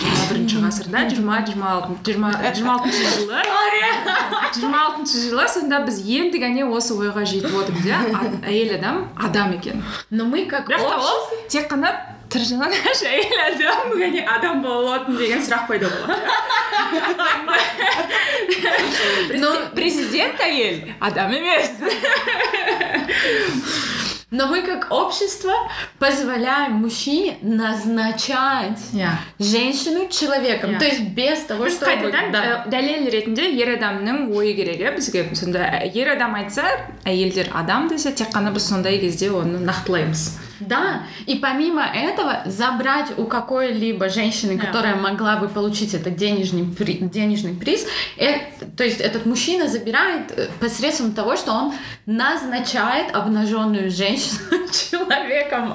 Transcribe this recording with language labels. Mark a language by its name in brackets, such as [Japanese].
[Kazakh] 21-ші ғасырда, 26-шы жылы, сонда біз енді ғана осы ойға жетіп отырмыз, иә? Әйел адам адам екен. [Russian] Но мы как [Kazakh] ол тек қана тыржалаңаш әйел адам және адам болатын деген сұрақ пайда болады. Президент әйел адам емес. [Russian] Но мы как общество позволяем мужчине назначать женщину человеком. То есть без того, чтобы... [Kazakh] Дәлел ретінде ер адамның ойы керек, бізге сонда ер адам айтса, әйелдер адам десе, тек қана біз сондай кезде оны нақтылаймыз. [Russian] Да, и помимо этого забрать у какой-либо женщины, которая могла бы получить этот денежный приз, то есть этот мужчина забирает посредством того, что он назначает обнаженную женщину человеком.